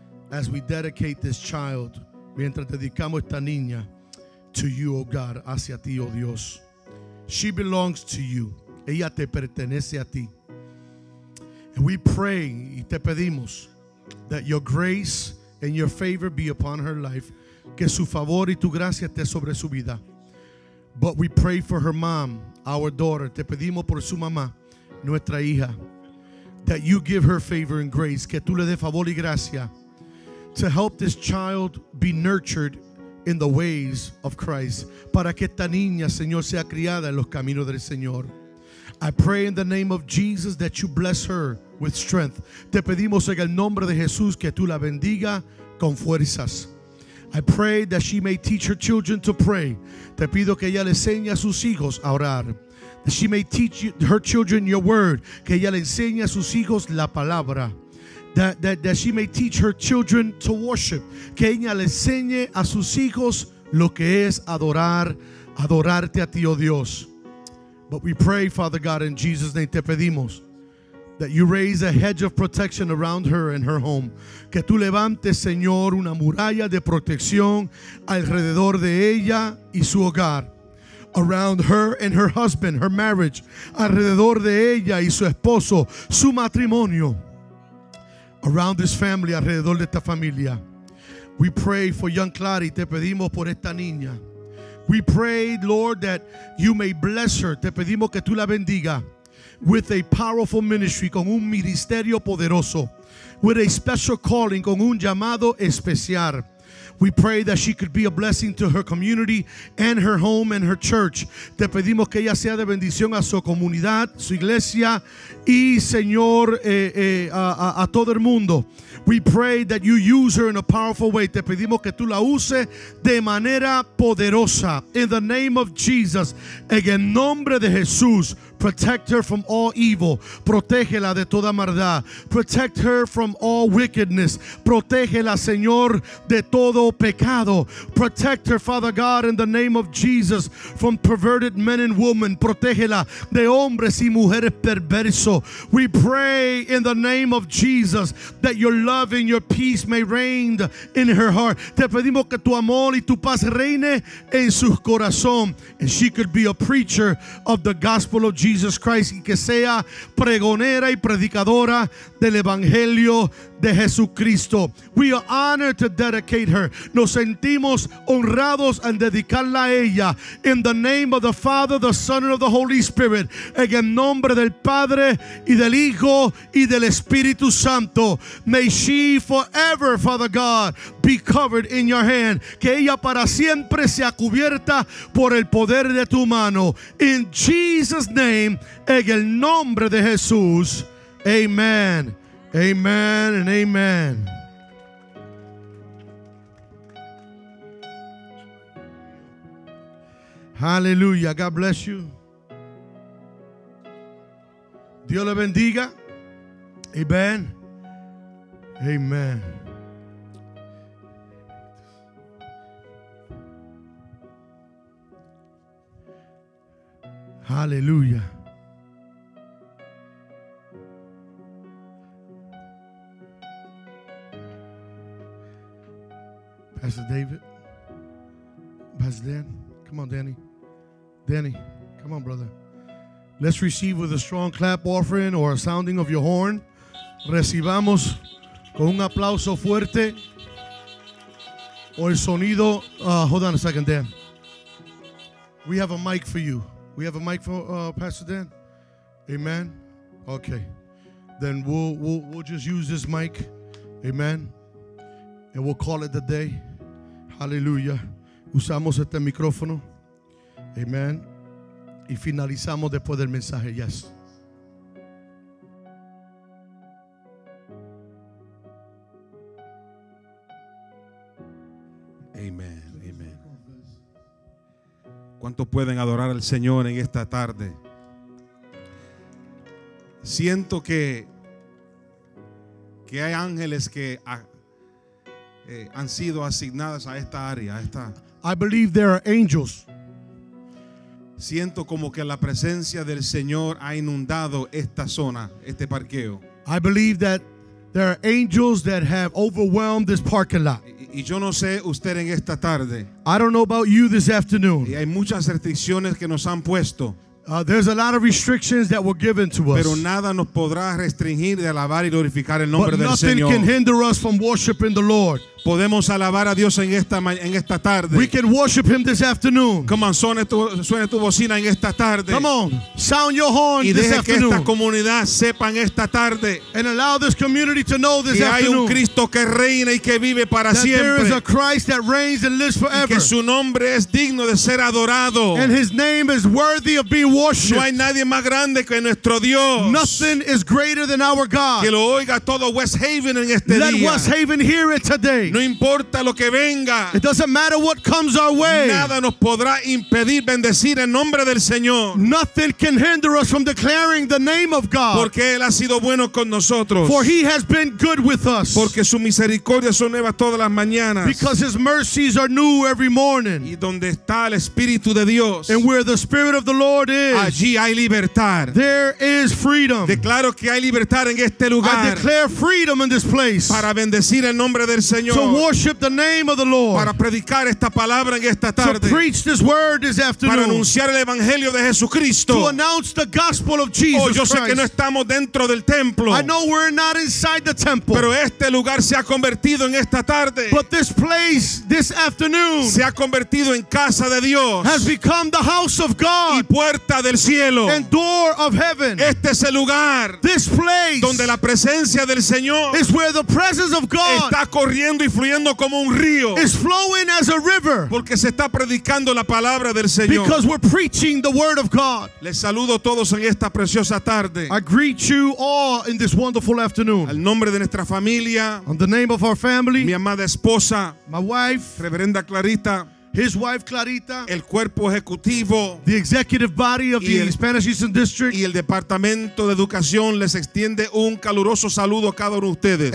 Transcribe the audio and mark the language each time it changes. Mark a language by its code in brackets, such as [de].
[en] As we dedicate this child, [es] mientras dedicamos esta niña, [en] to you, oh God, [es] hacia ti, oh Dios. [en] She belongs to you. [es] Ella te pertenece a ti. [en] And we pray [es] y te pedimos [en] that your grace and your favor be upon her life. [es] Que su favor y tu gracia esté sobre su vida. [en] But we pray for her mom, our daughter. [es] Te pedimos por su mamá, nuestra hija. [en] That you give her favor and grace. [es] Que tú le des favor y gracia. [en] To help this child be nurtured in the ways of Christ, [es] para que esta niña, Señor, sea criada en los caminos del Señor. [en] I pray in the name of Jesus that you bless her with strength. [es] Te pedimos en el nombre de Jesús que tú la bendiga con fuerzas. [en] I pray that she may teach her children to pray. [es] Te pido que ella le enseñe a sus hijos a orar. [en] That she may teach her children your word. [es] Que ella le enseñe a sus hijos la palabra. [en] That she may teach her children to worship. [es] Que ella le enseñe a sus hijos lo que es adorarte a ti, oh Dios. [en] But we pray, Father God, in Jesus' name, [es] te pedimos [en] that you raise a hedge of protection around her and her home. [es] Que tú levantes, Señor, una muralla de protección alrededor de ella y su hogar. [en] Around her and her husband, her marriage. [es] Alrededor de ella y su esposo, su matrimonio. [en] Around this family, [es] alrededor de esta familia. [en] We pray for young Clary. [es] Te pedimos por esta niña. [en] We pray, Lord, that you may bless her. [es] Te pedimos que tú la bendiga. [en] With a powerful ministry, [es] con un ministerio poderoso. [en] With a special calling, [es] con un llamado especial. [en] We pray that she could be a blessing to her community and her home and her church. [es] Te pedimos que ella sea de bendición a su comunidad, su iglesia y, Señor, a todo el mundo. [en] We pray that you use her in a powerful way. [es] Te pedimos que tú la uses de manera poderosa. [en] In the name of Jesus, [es] en el nombre de Jesús, [en] Protect her from all evil. [es] Protégela de toda maldad. [en] Protect her from all wickedness. [es] Protégela, Señor, de todo pecado. [en] Protect her, Father God, in the name of Jesus, from perverted men and women. [es] Protégela de hombres y mujeres perversos. [en] We pray in the name of Jesus that your love and your peace may reign in her heart. [es] Te pedimos que tu amor y tu paz reine en su corazón. [en] And she could be a preacher of the gospel of Jesus Christ, [es] y que sea pregonera y predicadora del evangelio de Jesucristo. [en] We are honored to dedicate her. [es] Nos sentimos honrados en dedicarla a ella. [en] In the name of the Father, the Son, and of the Holy Spirit. [es] En el nombre del Padre y del Hijo y del Espíritu Santo. [en] May she forever, Father God, be covered in your hand. [es] Que ella para siempre sea cubierta por el poder de tu mano. [en] In Jesus' name, [es] en el nombre de Jesús. [en] Amen. Amen and amen. Hallelujah. God bless you. [es] Dios le bendiga. Amen. Amen. [en] Hallelujah. Pastor David, Pastor Dan, come on, Danny. Danny, come on, brother. Let's receive with a strong clap offering or a sounding of your horn. Recibamos con un aplauso fuerte o el sonido. Hold on a second, Dan. We have a mic for you. We have a mic for Pastor Dan. Amen. Okay. Then we'll just use this mic. Amen. And we'll call it the day. Hallelujah. [es] Usamos este micrófono. [en] Amen. [es] Y finalizamos después del mensaje. Yes. [en] Amen. Amen. [es] ¿Cuántos pueden adorar al Señor en esta tarde? Siento que hay ángeles que han sido asignadas a esta área, a esta. [en] I believe there are angels. [es] Siento como que la presencia del Señor ha inundado esta zona, este parqueo. [en] I believe that there are angels that have overwhelmed this parking lot. [es] Y yo no sé usted en esta tarde. [en] I don't know about you this afternoon. [es] Y hay muchas restricciones que nos han puesto. [en] There's a lot of restrictions that were given to us. [es] Pero nada nos podrá restringir de alabar y glorificar el nombre del Señor. [en] But nothing can hinder us from worshiping the Lord. [es] Podemos alabar a Dios en esta tarde. [en] We can worship him this afternoon. [es] Come on, suene tu bocina en esta tarde. [en] Come on, sound your horn [es] y deje [en] this [es] que [en] afternoon. [es] Esta comunidad sepan esta tarde. [en] And allow this community to know this [es] que [en] afternoon. [es] Hay un Cristo que reina y que vive para [en] that [es] siempre. [en] There is a Christ that reigns and lives forever. [es] Y que su nombre es digno de ser adorado. [en] And his name is worthy of being worshiped. [es] No hay nadie más grande que nuestro Dios. [en] Nothing is greater than our God. [es] Que lo oiga todo West Haven en este [en] Let [es] día. [en] Let West Haven hear it today. [es] No importa lo que venga. [en] It doesn't matter what comes our way. [es] Nada nos podrá impedir bendecir el nombre del Señor. [en] Nothing can hinder us from declaring the name of God. [es] Porque él ha sido bueno con nosotros. [en] For he has been good with us. [es] Porque su misericordia son nuevas todas las mañanas. [en] Because his mercies are new every morning. [es] Y donde está el Espíritu de Dios. [en] And where the Spirit of the Lord is. [es] Allí hay libertad. [en] There is freedom. [es] Declaro que hay libertad en este lugar. [en] I declare freedom in this place. [es] Para bendecir el nombre del Señor. [en] To worship the name of the Lord. [es] Para predicar esta palabra en esta tarde. [en] To preach this word this afternoon. [es] Para anunciar el evangelio de Jesucristo. [en] To announce the gospel of Jesus Christ. [es] Oh, yo sé que no estamos dentro del templo. [en] I know we're not inside the temple. [es] Pero este lugar se ha convertido en esta tarde. [en] But this place this afternoon [es] se ha convertido en casa de Dios. [en] Has become the house of God. [es] Y puerta del cielo. [en] And door of heaven. [es] Este es el lugar. [en] This place [es] donde la presencia del Señor [en] is where the presence of God [es] está corriendo y fluyendo como un río. [en] It's flowing as a river. [es] Porque se está predicando la palabra del Señor. [en] Because we're preaching the word of God. [es] Les saludo a todos en esta preciosa tarde. [en] I greet you all in this wonderful afternoon. [es] Al nombre de nuestra familia. [en] On the name of our family. [es] Mi amada esposa. [en] My wife. [es] Reverenda Clarita. [en] His wife Clarita, [es] el cuerpo ejecutivo, [en] the executive body of the Spanish Eastern District, [es] y el departamento de educación les extiende un caluroso saludo a cada uno de ustedes.